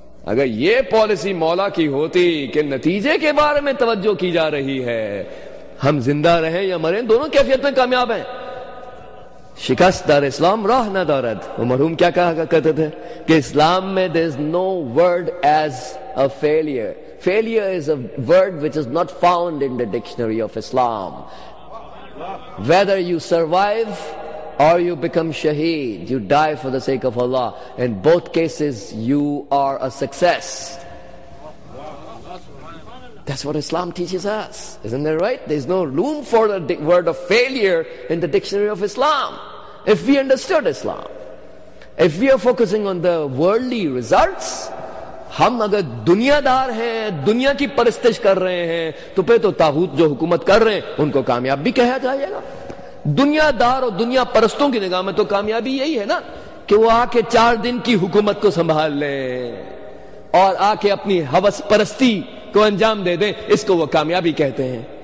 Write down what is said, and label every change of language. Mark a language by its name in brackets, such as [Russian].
[Urdu] اگر یہ پالیسی مولا کی ہوتی کہ نتیجے کے بارے میں توجہ کی جا رہی ہے, ہم زندہ رہیں یا مریں دونوں کیفیت میں کامیاب ہیں. [Persian] شکست دار اسلام راہ نہ دارد. [Urdu] وہ مرحوم کیا کہا کرتے تھے کہ اسلام میں [English] there is no word as a failure. Failure is a word which is not found in the dictionary of Islam. Whether you survive or you become shaheed, you die for the sake of Allah. In both cases, you are a success. That's what Islam teaches us. Isn't that right? There's no room for the word of failure in the dictionary of Islam. If we understood Islam, if we are focusing on the worldly results, [Urdu] ہم اگر دنیا دار ہیں, دنیا کی پرستش کر رہے ہیں, تو پھر تو تاغوت جو حکومت کر رہے ہیں ان کو کامیاب بھی کہا جائے گا. دنیا دار اور دنیا پرستوں کی نگاہ میں تو کامیابی یہی ہے نا کہ وہ آ کے 4 دن کی حکومت کو سنبھال لیں اور آ کے اپنی حوس پرستی کو انجام دے دیں, اس کو وہ کامیابی کہتے ہیں.